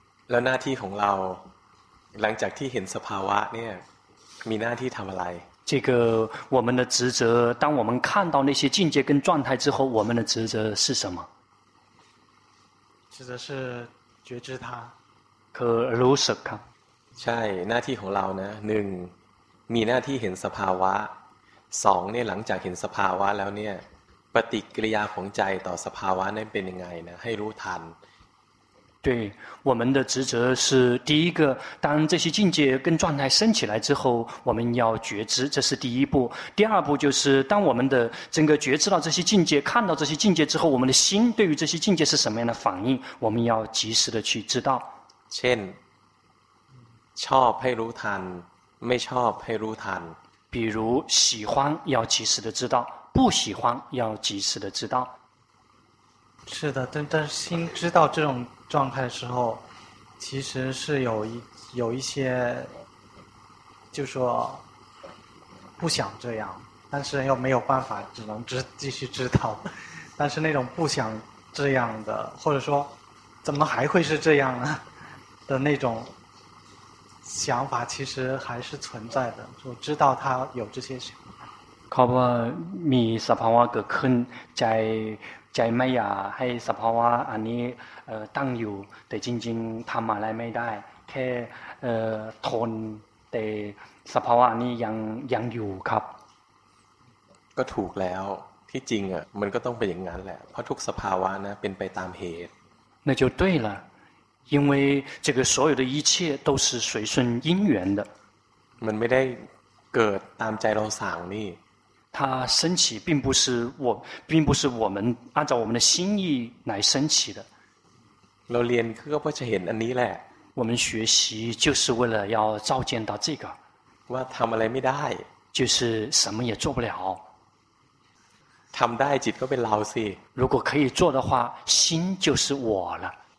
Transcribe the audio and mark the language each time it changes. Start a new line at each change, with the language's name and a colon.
Thai: แล้วหน้าที่ของเราหลังจากที่เห็นสภาวะเนี่ยมีหน้าที่ทำอะไร
Chinese: 这个我们的职责当我们看到那些境界跟状态之后我们的职责是什么职责是觉知它
Thai: 可รู้สึกครับ ใช่หน้าที่ของเรานะหนึ่งมีหน้าที่เห็นสภาวะสองเนี่ยหลังจากเห็นสภาวะแล้วเนี่ยปฏิกิริยาของใจต่อสภาวะนั้นเป็นยังไงนะให้รู้ทัน
Chinese: 对我们的职责是第一个当这些境界跟状态升起来之后我们要觉知这是第一步第二步就是当我们的整个觉知到这些境界看到这些境界之后我们的心对于这些境界是什么样的反应我们要及时的去知道
Thai: เช่นชอบให้รู้ทันไม่ชอบให้รู้ทัน
Chinese: 比如喜欢要及时的知道不喜欢要及时的知道是的但是心知道这种状态的时候其实是有一些就说不想这样但是又没有办法只能继续知道但是那种不想这样的或者说怎么还会是这样呢的那种想法其实还是存在的就知道他有这些想法
Thai: ขอบคุณมีสภาวะเกิดขึ้นใจไม่อยากให้สภาวะอันนี้ตั้งอยู่แต่จริงๆทำอะไรไม่ได้แค่ทนแต่สภาวะนี้ยังอยู่ครับ ก็ถูกแล้วที่จริงอ่ะมันก็ต้องเป็นอย่างนั้นแหละเพราะทุกสภาวะนะเป็นไปตามเหตุ
Chinese: 那就对了因为这个所有的一切都是随顺因缘的
Thai: มันไม่ได้เกิดตามใจเราสั่งนี่
Chinese: 它升起并不是我们按照我们的心意来升起的
Thai: เราเรียนก็เพื่อจะเห็นอันนี้แหละ
Chinese: 我们学习就是为了要照见到这个
Thai: ว่าทำอะไรไม่ได้
Chinese: 就是什么也做不了
Thai: ทำได้จิตก็เป็นเราสิ
Chinese: 如果可以做的话心就是我了